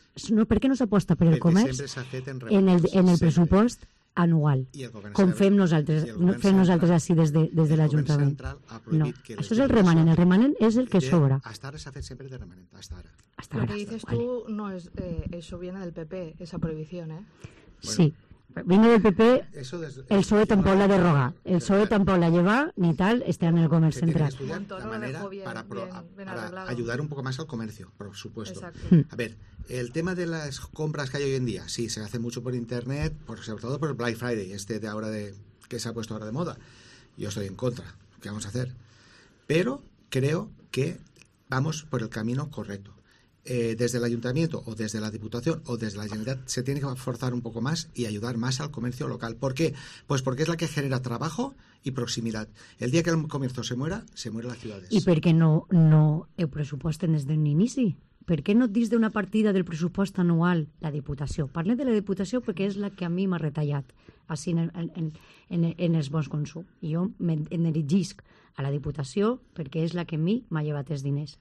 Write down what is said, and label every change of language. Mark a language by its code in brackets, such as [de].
[ca] No, per què no s'aposta per el comerç en el pressupost anual? Com fem nosaltres, fem nosaltres així des de l'Ajuntament? No, això és el remanent. El remanent és el que sobra. Hasta ara s'ha fet sempre de remanent. Hasta ara. [es] Hasta ahora, lo que dices tú, vale. No es eso viene del PP, esa prohibición, ¿eh? Bueno, sí, viene del PP, el PSOE tampoco la derroga, el PSOE tampoco la lleva, ni tal, este año el comercio central. La manera para ayudar un poco más al comercio, por supuesto. Exacto. A ver, el tema de las compras que hay hoy en día, sí, se hace mucho por internet, sobre todo por el Black Friday, este de ahora que se ha puesto ahora de moda. Yo estoy en contra, ¿qué vamos a hacer? Pero creo que vamos por el camino correcto. Desde el Ayuntamiento o desde la Diputación o desde la Generalitat se tiene que forzar un poco más y ayudar más al comercio local. ¿Por qué? Pues porque es la que genera trabajo y proximidad. El día que el comercio se muera la ciudad. ¿Y por qué no el presupuesto desde un inicio? [ca] per què no dins d'una partida del pressupost anual la Diputació? Parlem de la Diputació perquè és la que a mi m'ha retallat així en els bons consum. Jo m'enerigisc a la Diputació perquè és la que a mi m'ha llevat els diners.